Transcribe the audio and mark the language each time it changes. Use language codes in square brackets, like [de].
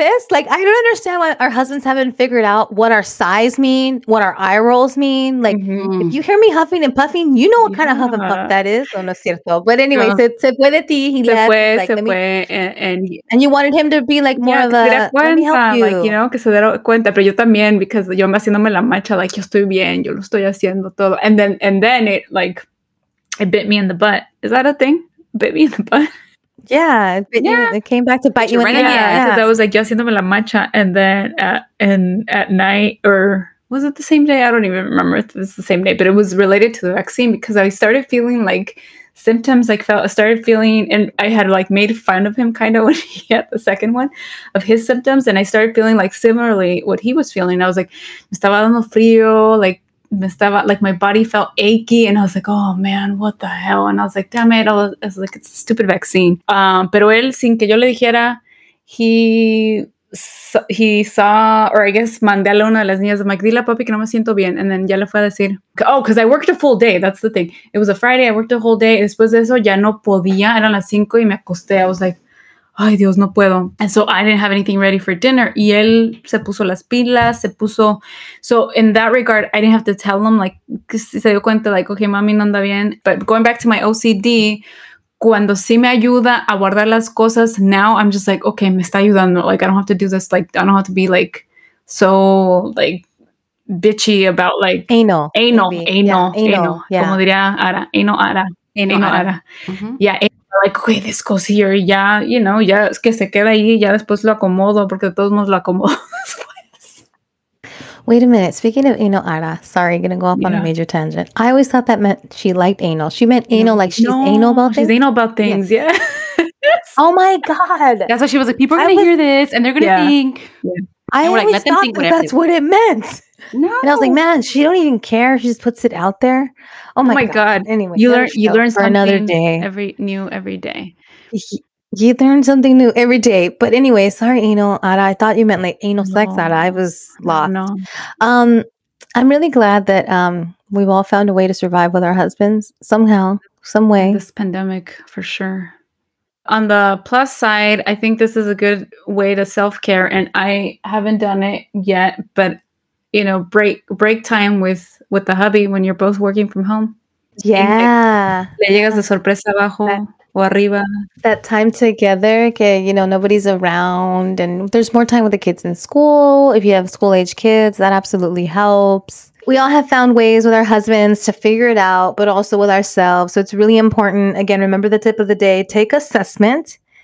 [en] Like, I don't understand why our husbands haven't figured out what our sighs mean, what our eye rolls mean. Like, mm-hmm. if you hear me huffing and puffing, you know what kind of huff and puff that is. Oh, no, cierto. But anyway, yeah. Se fue de ti. He [es] se [en] left. [es] Fue, [en] like, [es] se fue. And [en] you wanted him to be like more of a, let me help you. [es] Like, you know, que se dieron cuenta. Pero yo también, because yo me haciéndome la mancha, like, yo estoy bien, yo lo estoy haciendo todo. [en] And then it, like, it bit me in the butt. Is that a thing? Bit me in the butt? It came back to bite you in the ass. Yeah, I was like, yo haciéndome la macha. And then at night, or was it the same day? I don't even remember if it was the same day, but it was related to the vaccine because I started feeling like symptoms. And I had like made fun of him kind of when he had the second one of his symptoms. And I started feeling like similarly what he was feeling. I was like, me estaba dando frío, like, my body felt achy, and I was like, oh man, what the hell? And I was like, damn it. I was like, it's a stupid vaccine. [es] Pero él, sin que yo le dijera, he saw, or I guess mandé a una de las niñas, I'm like, dile a papi que no me siento bien. [en] And then ya le fue a decir, oh, because I worked a full day. That's the thing. It was a Friday. I worked a whole day. [es] Después de eso, ya no podía. Eran las 5 y me acosté. [en] I was like, ay Dios, no puedo. And so I didn't have anything ready for dinner. Y él se puso las pilas, So in that regard, I didn't have to tell him, like, se dio cuenta, like, okay, mami, no anda bien. But going back to my OCD, cuando sí me ayuda a guardar las cosas, now I'm just like, okay, me está ayudando. Like, I don't have to do this. Like, I don't have to be, like, so, like, bitchy about, like... Anal. [es] Como diría Ara. Anal Ara. Mm-hmm. Yeah, like, okay, this goes here, yeah, you know, yeah, es que se queda ahí, ya después lo acomodo, porque de todos modos lo acomodo después. [en] Wait a minute, speaking of anal, Ara, sorry, gonna go off on a major tangent. I always thought that meant she liked anal. She meant anal, like she's anal about things. Yeah. Yes. Oh my God. That's why she was like, people are gonna hear this, and they're gonna think. Yeah. I always thought that's what it meant. No. And I was like, man, she don't even care. She just puts it out there. Oh my God. Anyway, you learn something another day. Every day. You learn something new every day. But anyway, sorry, anal Ara. I thought you meant like anal sex, Ara. I was lost. No. I'm really glad that we've all found a way to survive with our husbands somehow, some way. This pandemic, for sure. On the plus side, I think this is a good way to self-care. And I haven't done it yet, but... you know, break time with the hubby when you're both working from home. Yeah. [es] Le llegas de sorpresa abajo o arriba. [en] That time together, que, you know, nobody's around and there's more time with the kids in school. If you have school age kids, that absolutely helps. We all have found ways with our husbands to figure it out, but also with ourselves. So it's really important. Again, remember the tip of the day, take assessment.